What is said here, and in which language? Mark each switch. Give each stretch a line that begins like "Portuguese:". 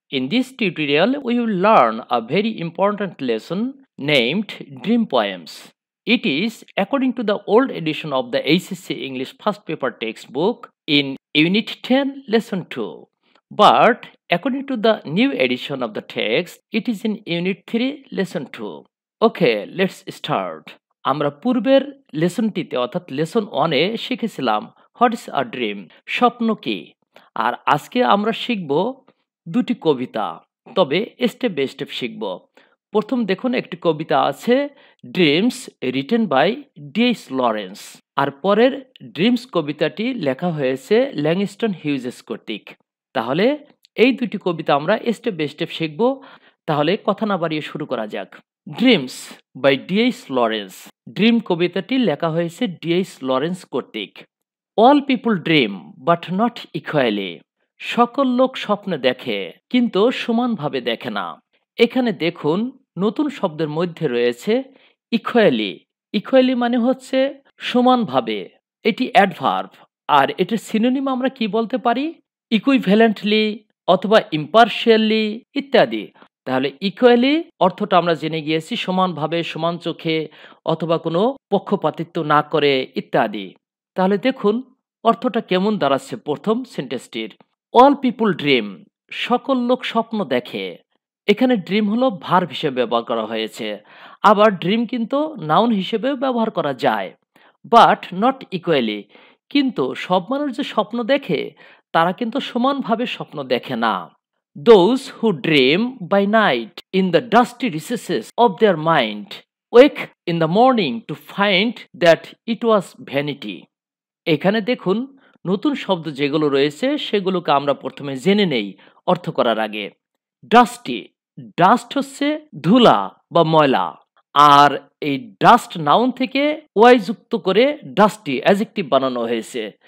English: In this tutorial, we will learn a very important lesson named Dream Poems. It is, according to the old edition of the HSC English First Paper textbook, in Unit 10, Lesson 2. But according to the new edition of the text, it is in Unit 3, Lesson 2. Okay, let's start.
Bangla: আমরা পূর্বের লেসনটিতে অর্থাৎ lesson 1 এ শিখেছিলাম
English: what is a dream,
Bangla: স্বপ্ন কি। আর আজকে আমরা শিখব দুটি কবিতা, তবে
English: step by step
Bangla: শিখব। প্রথম দেখুন, একটি কবিতা আছে dreams,
English: written by
Bangla: DS Lawrence. আর পরের ড্রিমস কবিতাটি লেখা হয়েছে ল্যাংস্টন হিউজেস কর্তৃক। তাহলে এই দুটি কবিতা আমরা
English: step by step
Bangla: শিখব। তাহলে কথা না বাড়িয়ে শুরু করা যাক।
English: Dreams by D.H. Lawrence.
Bangla: Dream কবিতাটি লেখা হয়েছে D.H. Lawrence কর্তৃক।
English: All people dream, but not equally.
Bangla: সকল লোক স্বপ্ন দেখে, কিন্তু সমানভাবে দেখে না। এখানে দেখুন, নতুন শব্দের মধ্যে রয়েছে equally. Equally মানে হচ্ছে সমানভাবে। এটি adverb, আর এটির synonym আমরা কি বলতে পারি? Equivalently অথবা impartially ইত্যাদি। তাহলে ইকুয়ালি অর্থটা আমরা জেনে গিয়েছি সমানভাবে, সমান চোখে, অথবা কোনো পক্ষপাতিত্ব না করে ইত্যাদি। তাহলে দেখুন অর্থটা কেমন দাঁড়াচ্ছে প্রথম সেন্টেন্সটির।
English: all people dream,
Bangla: সকল লোক স্বপ্ন দেখে। এখানে ড্রিম হলো ভার্ব হিসেবে ব্যবহার করা হয়েছে। আবার ড্রিম কিন্তু নাউন হিসেবে ব্যবহার করা যায়।
English: but not equally,
Bangla: কিন্তু সব মানুষ যে স্বপ্ন দেখে তারা কিন্তু সমানভাবে স্বপ্ন দেখে না।
English: Those who dream by night in the dusty recesses of their mind wake in the morning to find that it was vanity.
Bangla: এখানে দেখুন নতুন শব্দ যেগুলো রয়েছে সেগুলোকে আমরা প্রথমে জেনে নেই অর্থ করার আগে। Dusty, dust হচ্ছে ধুলা বা ময়লা, আর এই ডাস্ট নাউন থেকে ওয়াই যুক্ত করে ডাস্টি অ্যাজেক্টিভ বানানো হয়েছে।